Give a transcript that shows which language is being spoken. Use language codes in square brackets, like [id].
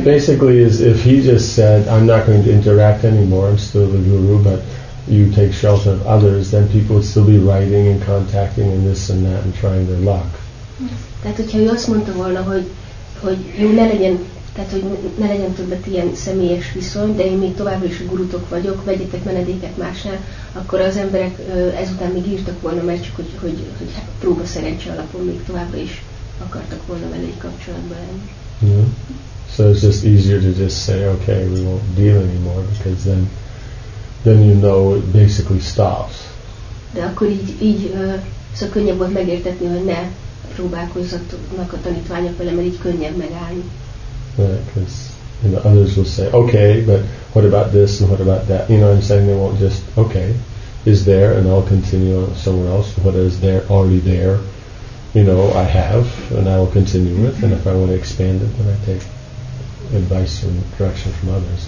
[en] basically, is if he just said, "I'm not going to interact anymore. I'm still the guru, but you take shelter of others," then people would still be writing and contacting and this and that and trying their luck. [hu] Tehát, hogyha ő azt mondta volna, hogy jó, ne legyen, tehát hogy ne legyen többet ilyen személyes viszony, de én még továbbra is a gurutok vagyok, vegyetek menedéket másnál, akkor az emberek ezután még írtak volna, mert csak hogy próba szerencse alapon még továbbra is akartak volna vele egy kapcsolatba lenni. [en] Yeah. So it's just easier to just say, okay, we won't deal anymore, because then you know it basically stops. [hu] De akkor így szóval könnyebb volt megértetni, hogy ne próbálkozzatnak a tanítványok vele, mert így könnyebb megállni. [en] Because the others will say, okay, but what about this and what about that? You know what I'm saying? They won't just, okay, is there, and I'll continue on somewhere else. What is there, already there, you know, I have, and I will continue with, and if I want to expand it, then I take advice and direction from others.